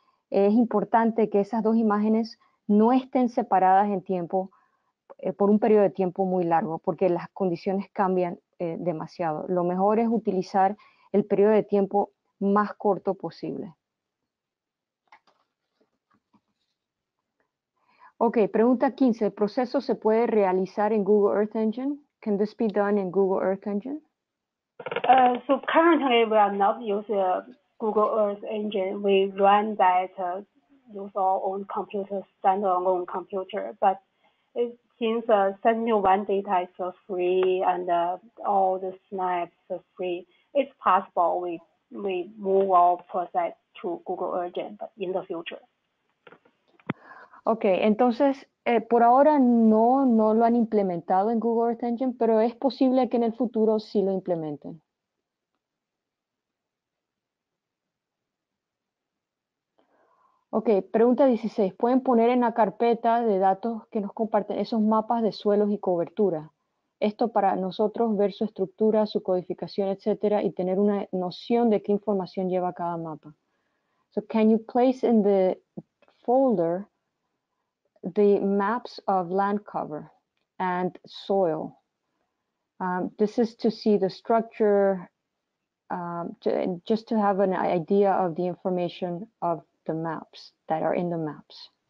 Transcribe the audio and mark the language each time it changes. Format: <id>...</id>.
<es>Es importante que esas dos imágenes no estén separadas en tiempo, por un periodo de tiempo muy largo, porque las condiciones cambian demasiado. Lo mejor es utilizar el periodo de tiempo más corto posible. Ok, pregunta 15. ¿El proceso se puede realizar en Google Earth Engine?</es> <en>Can this be done in Google Earth Engine? So currently we are not using Google Earth Engine. We run that use our own computer, standalone computer. But since Sentinel-1 data is free and all the snaps are free, it's possible we move our process to Google Earth Engine in the future.</en> <es>Ok, entonces, por ahora no lo han implementado en Google Earth Engine, pero es posible que en el futuro sí lo implementen. Ok, pregunta 16. ¿Pueden poner en la carpeta de datos que nos comparten esos mapas de suelos y cobertura? Esto para nosotros ver su estructura, su codificación, etcétera, y tener una noción de qué información lleva cada mapa.</es> <en>So, can you place in the folder the maps of land cover and soil? This is to see the structure, just to have an idea of the information of the maps that are in the maps.</en>